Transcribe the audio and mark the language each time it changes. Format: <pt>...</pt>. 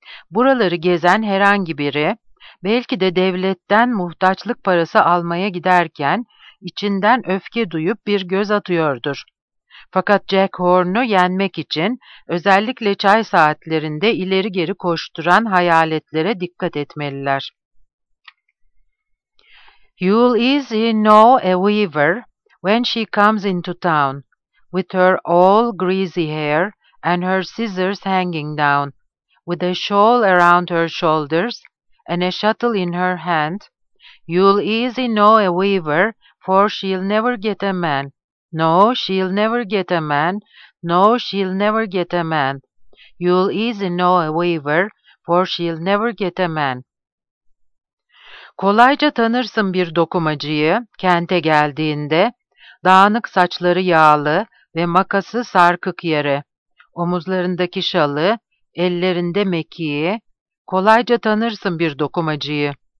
<tr>Buraları gezen herhangi biri, belki de devletten muhtaçlık parası almaya giderken içinden öfke duyup bir göz atıyordur. Fakat Jack Horn'u yenmek için özellikle çay saatlerinde ileri geri koşturan hayaletlere dikkat etmeliler.</tr> <en>"You'll easy know a weaver when she comes into town, with her all greasy hair and her scissors hanging down, with a shawl around her shoulders and a shuttle in her hand, You'll easy know a weaver, for she'll never get a man. No, she'll never get a man. No, she'll never get a man. You'll easy know a weaver, for she'll never get a man.</en> <tr>Kolayca tanırsın bir dokumacıyı, kente geldiğinde, dağınık saçları yağlı ve makası sarkık yere, omuzlarındaki şalı, ellerinde mekiği, kolayca tanırsın bir dokumacıyı.</tr>